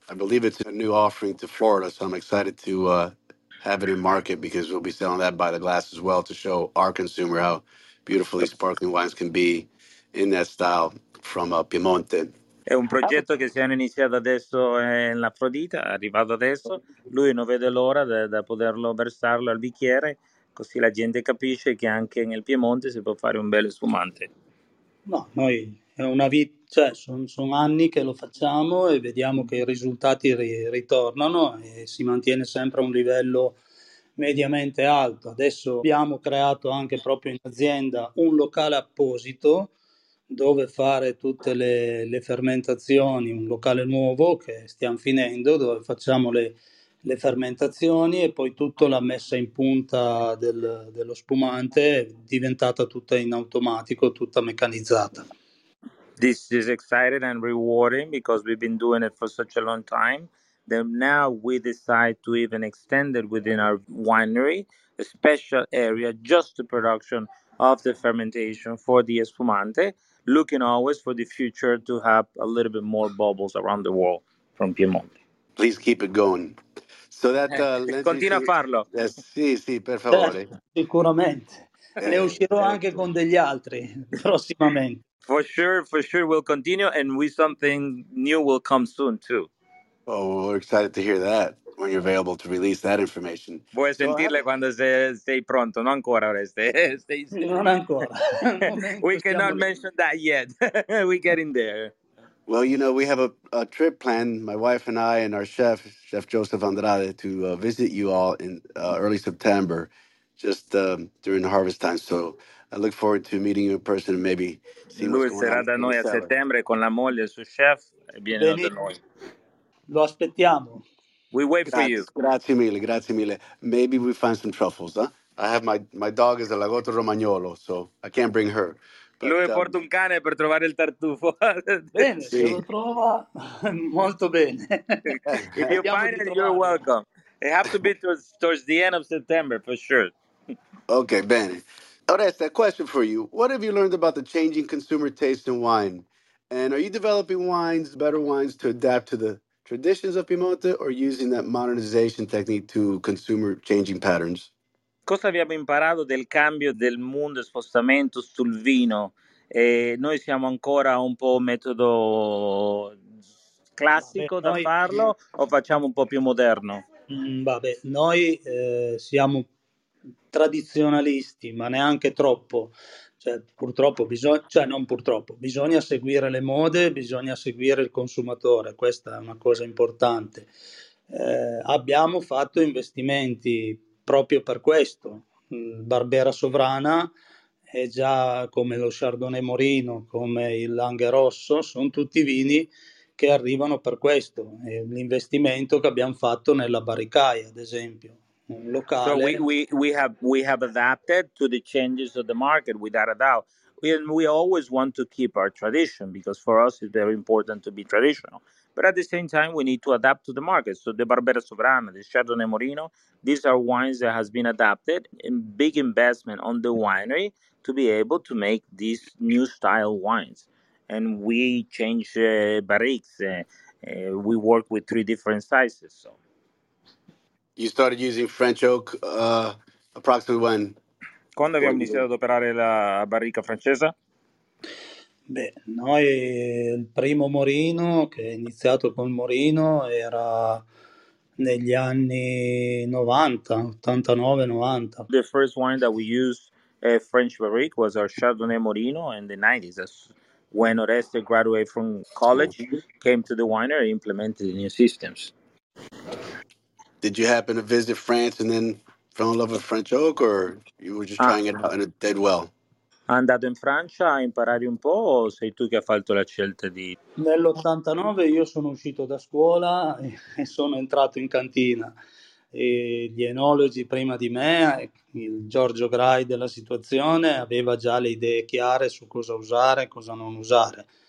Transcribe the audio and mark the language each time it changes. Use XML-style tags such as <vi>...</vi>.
<en>I believe it's a new offering to Florida, so I'm excited to have it in market because we'll be selling that by the glass as well to show our consumer how beautifully sparkling wines can be in that style from Piemonte.</en> <it>È un progetto che si è iniziato adesso in La Frodita, arrivato adesso. Lui non vede l'ora da poterlo versarlo al bicchiere, così la gente capisce che anche nel Piemonte si può fare un bel spumante. No, noi è una vita, cioè son anni che lo facciamo e vediamo che i risultati ritornano e si mantiene sempre a un livello mediamente alto. Adesso abbiamo creato anche proprio in azienda un locale apposito dove fare tutte le fermentazioni, un locale nuovo che stiamo finendo, dove facciamo le fermentazioni e poi tutta la messa in punta dello spumante è diventata tutta in automatico, tutta meccanizzata.</it> <en>This is exciting and rewarding because we've been doing it for such a long time. Then now we decide to even extend it within our winery, a special area just the production of the fermentation for the espumante, looking always for the future to have a little bit more bubbles around the world from Piemonte. Please keep it going. So that</en> <it>continua a farlo. Sì, sì, per favore. Sicuramente. Ne uscirò anche con degli altri prossimamente.</it> <en>For sure, we'll continue, and something new will come soon too. Oh, we're excited to hear that when you're available to release that information.</en> <it>Vuoi sentirle quando sei pronto? Non ancora, Oreste. Non ancora.</it> <en>We cannot mention that yet. We're getting there. Well, you know, we have a trip planned, my wife and I and our chef, Chef Joseph Andrade, to visit you all in early September, just during the harvest time. So I look forward to meeting you in person and maybe seeing</en> <it>lui</it> <en>what's going on.</en> <it>Lui sarà da noi a settembre con la moglie, il suo chef, e viene da noi. Lo aspettiamo.</it> <en>We wait for you.</en> <it>Grazie mille.</it> <en>Maybe we find some truffles, huh? I have my dog is a Lagotto Romagnolo, so I can't bring her.</en> <it>But, lui porta un cane per trovare il tartufo. Bene, sì. Se lo trova, molto bene.</it> <en>If you find it, you're welcome. It has to be towards the end of September, for sure. Okay, bene. Oreste, a question for you. What have you learned about the changing consumer taste in wine? And are you developing wines, better wines, to adapt to the traditions of Piemonte, or using that modernization technique to consumer changing patterns?</en> <it>Cosa abbiamo imparato del cambio del mondo, spostamento sul vino? E noi siamo ancora un po' metodo classico da farlo, o facciamo un po' più moderno? Vabbè, noi siamo tradizionalisti, ma neanche troppo. Cioè, purtroppo bisogna seguire le mode, bisogna seguire il consumatore, questa è una cosa importante. Abbiamo fatto investimenti proprio per questo. Barbera Sovrana è già, come lo Chardonnay Morino, come il Langhe Rosso, sono tutti vini che arrivano per questo. E l'investimento che abbiamo fatto nella Barricaia, ad esempio, locale.</it> <en>So we have adapted to the changes of the market without a doubt. We always want to keep our tradition because for us it's very important to be traditional. But at the same time we need to adapt to the market. So the Barbera Sovrana, the Chardonnay Morino, these are wines that has been adapted in big investment on the winery to be able to make these new style wines. And we change barriques. We work with three different sizes. So. You started using French oak approximately when?</en> <it>Quando abbiamo iniziato ad operare la barrica francese? Beh, noi il primo Morino, che è iniziato col Morino, era negli anni 90, 89-90.</it> <en>The first wine that we used a French barrique was our Chardonnay Morino in the 90s. That's when Oreste graduated from college, came to the winery and implemented the new systems. Did you happen to visit France and then fell in love with French oak, or you were just trying it out in a dead well?</en> <it>Andato in Francia a imparare un po', o sei tu che hai fatto la scelta di... Nell'89 io sono uscito da scuola e sono entrato in cantina. E gli enologi prima di me, il Giorgio Grai della situazione, aveva già le idee chiare su cosa usare e cosa non usare.</it>